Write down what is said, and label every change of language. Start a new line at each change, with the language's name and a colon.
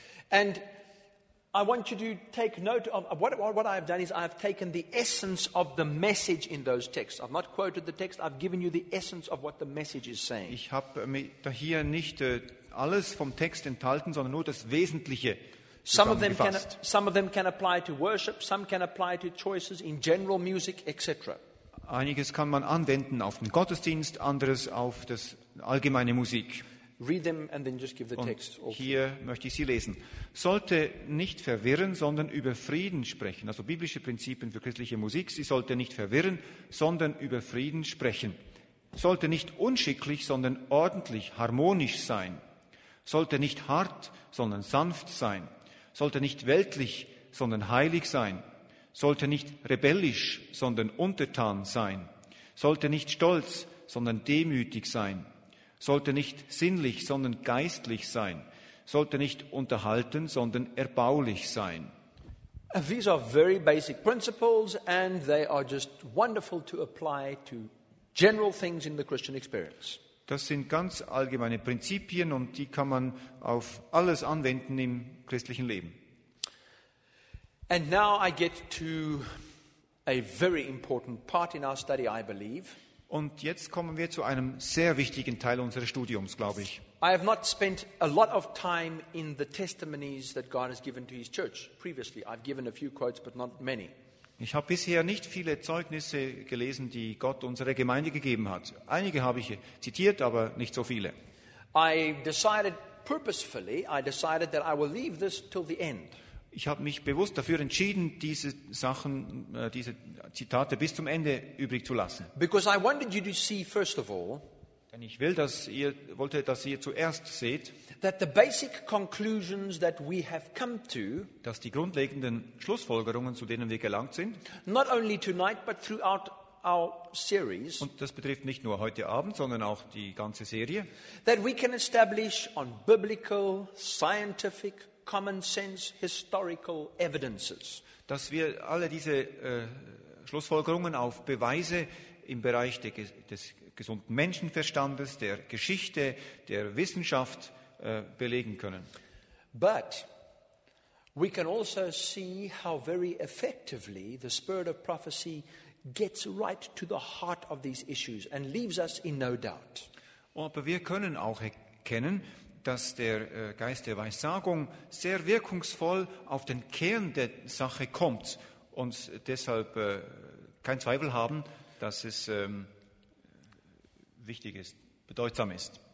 English: And I want you to take note of what I have done is I have taken the essence of the message in those texts. I've not quoted the text. I've given you the essence of what the message is saying.
German: Ich habe hier nicht alles vom Text enthalten, sondern nur das Wesentliche.
English: Some of them can apply to worship. Some can apply to choices in general music, etc.
German: Einiges kann man anwenden auf den Gottesdienst, anderes auf das allgemeine Musik.
English: Read them and then just give the text.
German: Und hier möchte ich sie lesen. Sollte nicht verwirren, sondern über Frieden sprechen. Also biblische Prinzipien für christliche Musik. Sie sollte nicht verwirren, sondern über Frieden sprechen. Sollte nicht unschicklich, sondern ordentlich, harmonisch sein. Sollte nicht hart, sondern sanft sein. Sollte nicht weltlich, sondern heilig sein. Sollte nicht rebellisch, sondern untertan sein. Sollte nicht stolz, sondern demütig sein. Sollte nicht sinnlich, sondern geistlich sein. Sollte nicht unterhalten, sondern erbaulich sein.
English: These are very basic principles and they are just wonderful to apply to general things in the Christian experience.
German: Das sind ganz allgemeine Prinzipien und die kann man auf alles anwenden im christlichen Leben.
English: And now I get to a very important part in our study, I believe.
German: Und jetzt kommen wir zu einem sehr wichtigen Teil unseres Studiums, glaube ich.
English: I have not spent a lot of time in the testimonies that God has given to his church previously. I've given a few quotes, but not many.
German: Ich habe bisher nicht viele Zeugnisse gelesen, die Gott unserer Gemeinde gegeben hat. Einige habe ich zitiert, aber nicht so viele.
English: I decided that I will leave this till the end.
German: Ich habe mich bewusst dafür entschieden, diese Sachen, diese Zitate bis zum Ende übrig zu lassen.
English: Because I wanted you to see, first of all,
German: denn ich will, dass ihr, wollte, dass ihr zuerst seht,
English: that the basic conclusions that we have come to,
German: dass die grundlegenden Schlussfolgerungen, zu denen wir gelangt sind,
English: not only tonight, but throughout our series,
German: und das betrifft nicht nur heute Abend, sondern auch die ganze Serie,
English: that we can establish on biblical, scientific, common sense, historical evidences.
German: Dass wir alle diese Schlussfolgerungen auf Beweise im Bereich des gesunden Menschenverstandes, der Geschichte, der Wissenschaft belegen können.
English: But we can also see how very effectively the spirit of prophecy gets right to the heart of these issues and leaves us in no doubt.
German: Aber wir können auch erkennen, dass der Geist der Weissagung sehr wirkungsvoll auf den Kern der Sache kommt und deshalb kein Zweifel haben, dass es wichtig ist, bedeutsam ist.